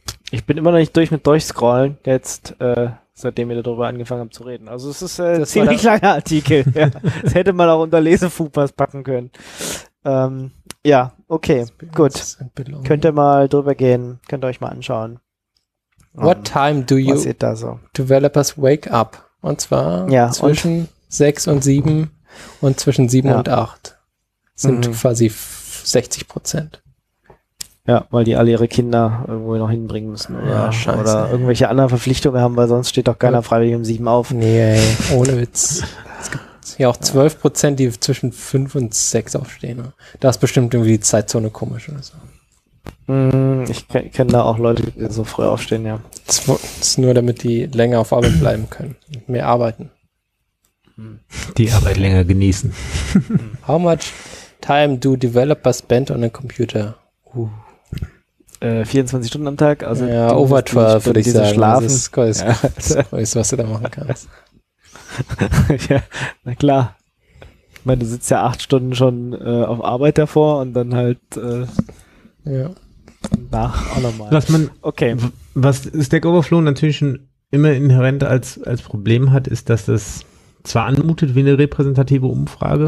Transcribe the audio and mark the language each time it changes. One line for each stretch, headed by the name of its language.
German: Ich bin immer noch nicht durch mit Durchscrollen, jetzt seitdem wir darüber angefangen haben zu reden. Also es ist ein ziemlich langer Artikel. Ja. Das hätte man auch unter Lesefupas packen können. Ja, okay, gut. Könnt ihr mal drüber gehen, könnt ihr euch mal anschauen.
English: What time do you developers wake up?
German: Und zwar zwischen 6 und 7 und zwischen 7 und 8 sind quasi 60%. Ja, weil die alle ihre Kinder irgendwo noch hinbringen müssen. Oder, oder irgendwelche anderen Verpflichtungen haben, weil sonst steht doch keiner freiwillig um 7 auf. Nee, ohne Witz. Es gibt ja auch 12%, die zwischen 5 und 6 aufstehen. Ne? Da ist bestimmt irgendwie die Zeitzone komisch oder so. Ich kenne da auch Leute, die so früh aufstehen, ja. Das ist nur, damit die länger auf Arbeit bleiben können. Mehr arbeiten. Die Arbeit länger genießen.
English: How much time do developers spend on a computer?
German: 24 Stunden am Tag. Also ja,
English: over 12,
German: würde ich sagen. Schlafen. Das ist cool, das Größte, was du da machen kannst. Ja, na klar. Ich meine, du sitzt ja 8 Stunden schon auf Arbeit davor und dann halt... Was man, was Stack Overflow natürlich schon immer inhärent als Problem hat, ist, dass das zwar anmutet wie eine repräsentative Umfrage.